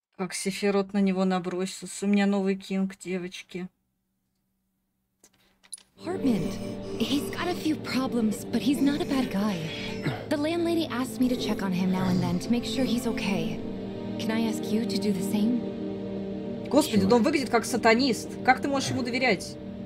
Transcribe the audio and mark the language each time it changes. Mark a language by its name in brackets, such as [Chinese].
[Russian] Сефирот на него набросился. У меня новый кинг, девочки. [English] Hartman, he's got a few problems, but he's not a bad guy. The landlady asked me to check on him now and then to make sure he's okay. Can I ask you to do the same? [Russian] Господи, он выглядит как сатанист. Как ты можешь ему доверять?